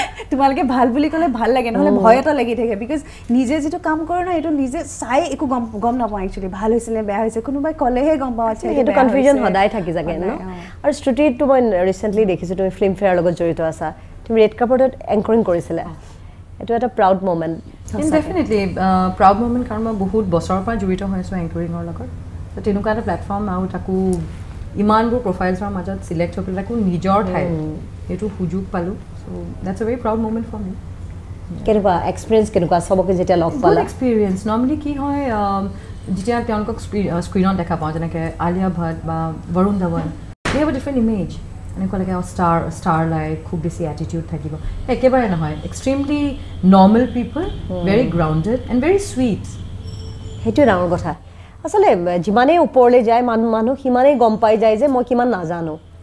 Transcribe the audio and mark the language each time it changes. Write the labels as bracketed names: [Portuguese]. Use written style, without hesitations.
[Assamese] তোমালোকে ভাল বুলি ক'লে ভাল লাগে নহ'লে ভয় এটা লাগি থাকে বিকজ নিজে যিটো কাম কৰো ন এইটো নিজে চাই একো গম নাপাওঁ একচুৱেলি ভাল হৈছিলে বেয়া হৈছে কোনোবাই ক'লেহে গম পাওঁ সেইটো কনফিউজন সদায় থাকি যাগে ন আৰু শ্ৰুতিটো মই ৰিচেণ্টলি দেখিছোঁ তুমি ফিল্মফেয়াৰ লগত জড়িত আছা ৰেড কাৰ্পেটত এংকৰিং কৰিছিলে এইটো এটা [English] proud moment definitely proud moment [Assamese] কাৰণ মই বহুত বছৰৰ পৰা জড়িত হৈ আছোঁ এংকৰিঙৰ লগত তো তেনেকুৱা এটা প্লেটফৰ্ম আৰু তাকো ইমানবোৰ প্ৰফাইলছৰ মাজত ছিলেক্ট হৈ পেলাই তাকো নিজৰ ঠাই সেইটো সুযোগ পালোঁ [English] so' that's a very proud moment for me [Assamese] কেনেকুৱা এক্সপিৰিয়েঞ্চ কেনেকুৱা চবকে যেতিয়া লগ পালোঁ এক্সপিৰিয়েঞ্চ নৰ্মেলি কি হয় যেতিয়া তেওঁলোকক স্ক্ৰীণত দেখা পাওঁ যেনেকৈ আলিয়া ভট্ট বা Varun Dhawan [English] they have a different image [Assamese] এনেকুৱা লাগে ষ্টাৰ ষ্টাৰ লাইট খুব বেছি এটিটিউড থাকিব একেবাৰে নহয় [English] extremely normal people very grounded and very sweet [Assamese] সেইটোৱে ডাঙৰ কথা আচলতে যিমানেই ওপৰলৈ যায় মানুহ সিমানেই গম পাই যায় যে মই কিমান নাজানো